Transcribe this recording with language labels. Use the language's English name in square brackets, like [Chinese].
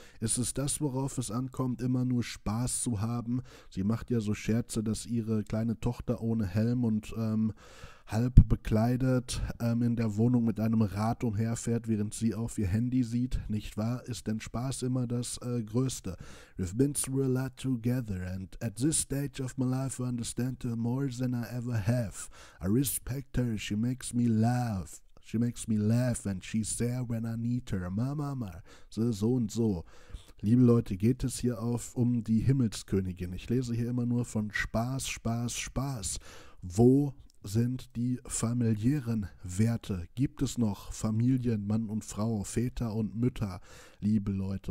[German] Ist es das, worauf es ankommt, immer nur Spaß zu haben? Sie macht ja so Scherze, dass ihre kleine Tochter ohne Helm und halb bekleidet in der Wohnung mit einem Rad umherfährt, während sie auf ihr Handy sieht, nicht wahr? Ist denn Spaß immer das Größte? [English] We've been through a lot together and at this stage of my life I understand her more than I ever have. I respect her, she makes me laugh. She makes me laugh and she's there when I need her. [German] Mama, so, so und so. Liebe Leute, geht es hier auf um die Himmelskönigin? Ich lese hier immer nur von Spaß, Spaß, Spaß. Wo sind die familiären Werte? Gibt es noch Familien, Mann und Frau, Väter und Mütter, liebe Leute?